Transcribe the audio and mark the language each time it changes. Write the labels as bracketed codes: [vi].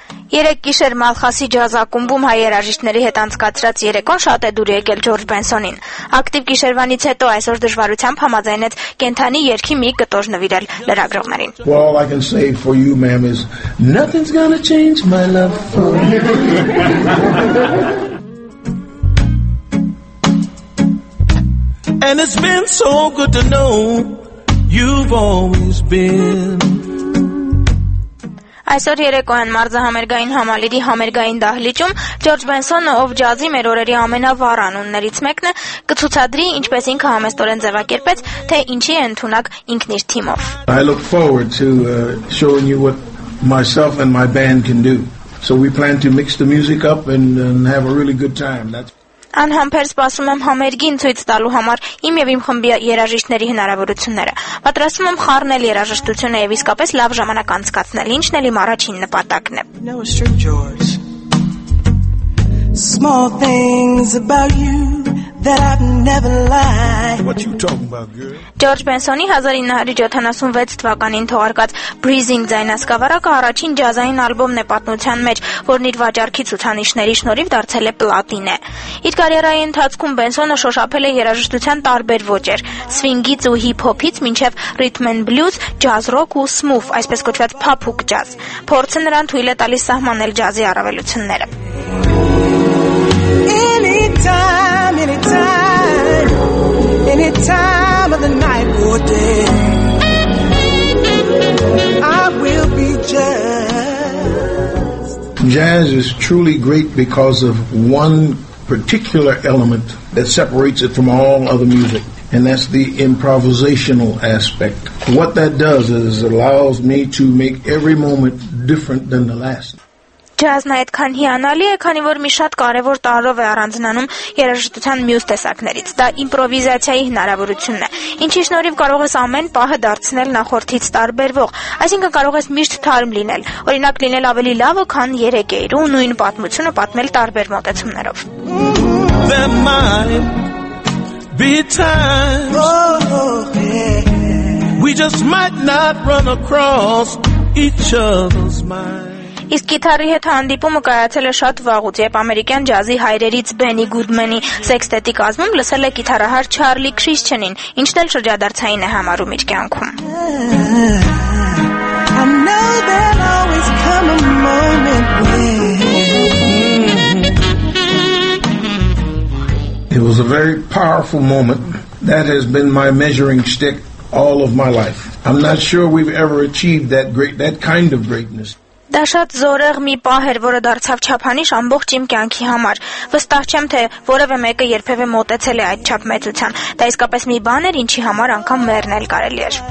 [hy] Երեք գիշեր Մալխասի ջազ ակումբում հայ երաժիշտների հետ անցկացրած երեկոն շատ է դուր եկել Ջորջ Բենսոնին։ Ակտիվ գիշերվանից հետո այսօր դժվարությամբ համաձայնեց կենթանի երգի մի կտոր նվիրել լրագրողներին։ [en] Well, I can say for you, ma'am, is nothing's gonna change my love for you. And it's been so good to know you've always been. [hy] Այսօր երեկոյան մարզահամերգային համալիրի համերգային դահլիճում Ջորջ Բենսոնը, ով ջազի մեր օրերի ամենավառ անուններից մեկն է, կցուցադրի, ինչպես ինքը համեստորեն ձևակերպեց, թե ինչի է ընդունակ ինքն իր թիմով։ [en] I look forward to showing you what myself and my band can do. So we plan to mix the music up and have a really good time. [hy] Անհամբեր սպասում եմ համերգին ցույց տալու համար իմ եւ իմ խմբի երաժիշտների հնարավորությունները։ Պատրաստվում եմ խառնել երաժշտությունը եւ իսկապես լավ ժամանակ անցկացնել, ինչն էլ իմ առաջին նպատակն է։ [en] Small things about you that I've never liked. What you talking about, girl? [hy] Ջորջ Բենսոնի 1976 թվականին թողարկած Breezing ձայնասկավառակը առաջին ջազային ալբոմն է պատմության մեջ, որն իր վաճառքի ցուցանիշների շնորհիվ դարձել է պլատինե։ Իր կարիերայի ընթացքում Բենսոնը շոշափել է երաժշտության տարբեր ոճեր՝ սվինգից ու հիփ-հոփից մինչև [en] rhythm and blues, [hy] jazz rock ու smooth, այսպես կոչված փափուկ ջազ։ Փորձը նրան թույլ է տալիս սահմանել ջազի առավելությունները։ [en] Anytime of the night or day, I will be jazzed. Jazz is truly great because of one particular element that separates it from all other music, and that's the improvisational aspect. What that does is it allows me to make every moment different than the last. [hy] Ջազն այդքան հիանալի է, քանի որ մի շատ կարևոր տարրով է առանձնանում երաժշտության մյուս տեսակներից։ Դա իմպրովիզացիայի հնարավորությունն է, ինչի շնորհիվ կարող ես ամեն պահը դարձնել նախորդից տարբերվող, այսինքն կարող ես միշտ թարմ լինել, օրինակ լինել ավելի լավը, քան երեկեր ու նույն պատմությունը պատմել տարբեր մոտեցումներով։ Իսկ գիտարի հետ հանդիպումը կայացել է շատ վաղուց, երբ ամերիկյան ջազի հայրերից Բենի Գուդմենի սեքստետի կազմում լսել է գիտարահար Չարլի Քրիստիանին, ինչն էլ շրջադարձային է համարում իր կյանքում։ [en] It was a very powerful moment that has been my measuring stick all of my life. I'm not sure we've ever achieved that kind of greatness. [hy] Դա շատ զորեղ մի պահ էր, որը դարձավ չափանիշ ամբողջ իմ կյանքի համար։ Վստահ չեմ, թե որևէ մեկը երբևէ մոտեցել է այդ չափ մեծության։ Դա իսկապես մի բան էր, ինչի համար անգամ մեռնել կարելի